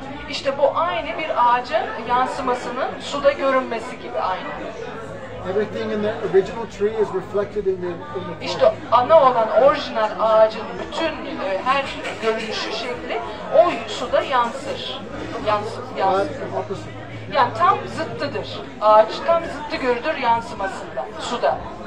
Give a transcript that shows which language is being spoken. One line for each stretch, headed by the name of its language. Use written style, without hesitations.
Turkish: İşte bu aynı bir ağacın yansımasının suda görünmesi gibi aynı.
English: Everything in the original tree is reflected in the water.
Turkish: İşte ana olan orijinal ağacın bütün her görünüşü şekli o suda yansır. Yansır. Yani tam zıttıdır. Ağaç tam zıttı görülür yansımasında, suda.